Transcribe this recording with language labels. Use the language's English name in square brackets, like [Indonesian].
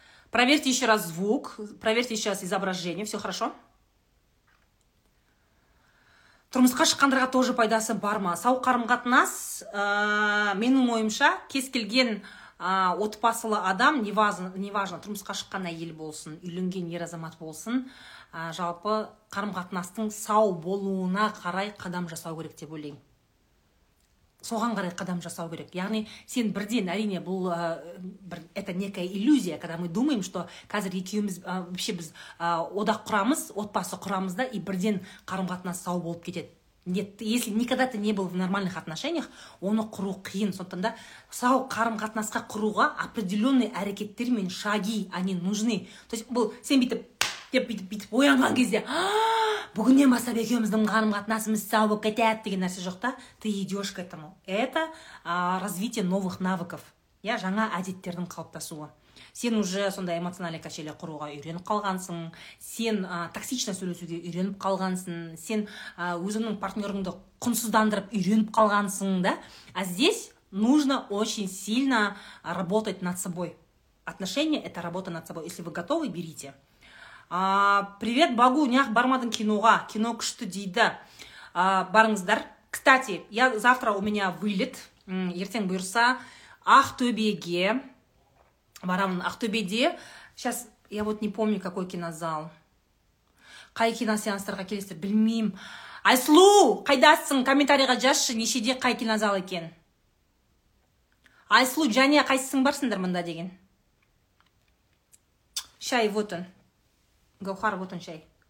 [Russian] Проверьте еще раз звук, проверьте еще раз изображение. Все хорошо? [Kazakh] Тұрмысқа шыққандарға тоже пайдасы бар ма? Сау қарым-қатынас, менің ойымша, кез келген отбасылы адам, неважно, тұрмысқа шыққан әйел болсын, үйленген ер азамат болсын, жалпы қарым-қатынастың сау болуына қарай қадам жасау керек деп ойлаймын. Соған қарай қадам жасау керек. Яғни, сен бірден, әрине, бұл бір [Russian] это некая иллюзия, когда мы думаем, что [Kazakh] қазір екеуміз вообще біз одақ құрамыз, отбасы құрамыз да, и бірден қарым-қатынас сау болып кетеді. [Russian] Нет, если никогда ты не был в нормальных отношениях, [Kazakh] оны құру қиын. Сондықтан да, сау қарым-қатынасқа құруға определённый әрекеттер мен шаги, [Russian] они нужны. [Kazakh] То есть, бұл сен бітіп деп бітіп оянған кезде, бүгіннен бастап екеуміздің қарым-қатынасымыз сау болып кетеді деген нәрсе жоқ та, [Russian] ты идешь к этому. Это развитие новых навыков. [Kazakh] Я жаңа әдеттердің қалыптасуы. Сен уже сондай эмоциональный качеле құруға үйреніп қалғансың, сен токсично сөйлесуге үйреніп қалғансың, сен өзіңнің партнерыңды құнсыздандырып үйреніп қалғансың, да? [Russian] А здесь нужно очень сильно работать над собой. Отношения – это работа над собой. Если вы готовы, берите. Привет, Багу, [Kazakh] нях бармадың киноға. Кино күшті дейді. Барыңыздар. [Russian] Кстати, я завтра у меня вылет. [Kazakh] Ертең бұйырса, Ақтөбеге. Барамын Ақтөбеде. [Russian] Сейчас я вот не помню, какой кинозал. [Kazakh] Қай киносеанстарға келесіздер, білмеймін. Айсұлу, қайдасың? Комментарияға жазшы, нешеде қай кинозал екен. Айсұлу, және қайсысың барсыңдар мында деген. [Russian] Шай, вот он. Гаухар, вот он шай.